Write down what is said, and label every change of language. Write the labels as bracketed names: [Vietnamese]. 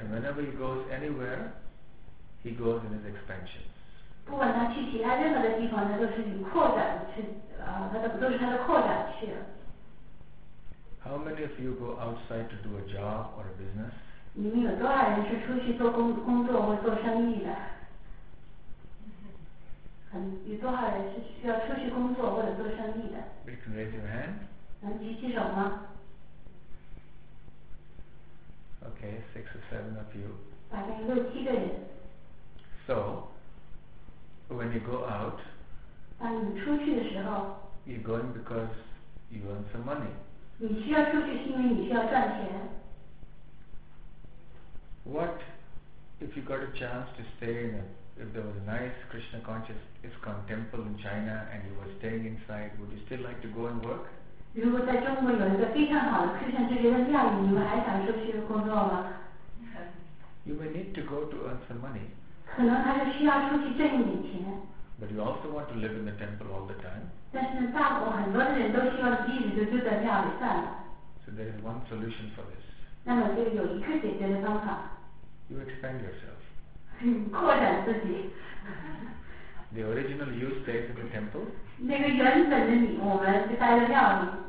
[English] And whenever he goes anywhere, he goes in his expansion. [Chinese] 不管他去其他任何的地方，他都是以扩展去，他都是他的扩展去了。 [English] How many of you go outside to do a job or a business? [Chinese] 你们有多少人是出去做工作或做生意的？有多少人是需要出去工作或者做生意的？ [English] We can raise your hand. [Chinese] 能举起手吗？ [English] Okay, six or seven of you. [Chinese] 大概六七个人。 [English] So, when you go out, [Chinese] 当你出去的时候， [English] you're going because you earn some money. [Chinese] 你需要出去是因为你需要赚钱。 [English] What if you got a chance to stay in a, if there was a nice Krishna conscious ISKCON temple in China and you were staying inside, would you still like to go and work? [Chinese] 如果在中国有一个非常好的 Krishna 这些的庙宇，你们还想出去工作吗？ [English] You may need to go to earn some money. [Chinese] 可能还是需要出去挣一点钱。 [English] But you also want to live in the temple all the time. [Chinese] 但是大国很多人都希望一直就住在庙里算了。 [English] So there is one solution for this. [Chinese] 那么就有一个解决的方法。 [English] You expand yourself. [Chinese] 扩展自己。 [English] The original you stays in the temple. [Chinese] 那个原本的你，我们就待在庙里。